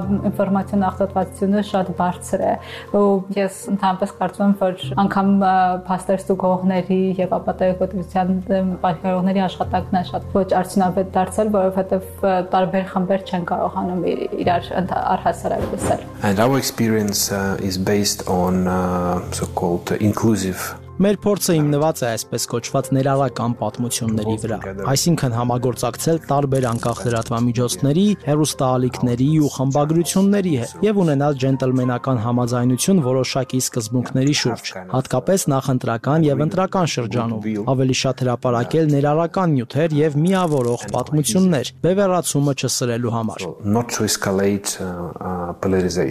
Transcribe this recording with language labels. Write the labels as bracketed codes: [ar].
[hy] ինֆորմացիոն ախտատվածությունը շատ բարձր է, ու ես ընդհանրապես կարծում եմ, որ անգամ փաստեր ստուգողների եւ ապատեղեկության պայքարողների աշխատանքն է շատ ոչ արդյունավետ դարձել, որովհետև տարբեր խմբեր չեն կարողանում իրար առհասարակ լսել։ [en] Our experience is based on so-called inclusive. [hy] Մեր փորձը հիմնված է այսպես կոչված ներառական պատմությունների վրա, այսինքն համագործակցել տարբեր անկախ լրատվամիջոցների, հեռուստաալիքների ու խմբագրությունների հետ եւ ունենալ ջենտլմենական համաձայնություն որոշակի սկզբունքների շուրջ, հատկապես նախընտրական եւ ընտրական շրջանում, ավելի շատ հրապարակել ներառական նյութեր եւ միավորող պատմություններ բևեռացումը չսրելու համար։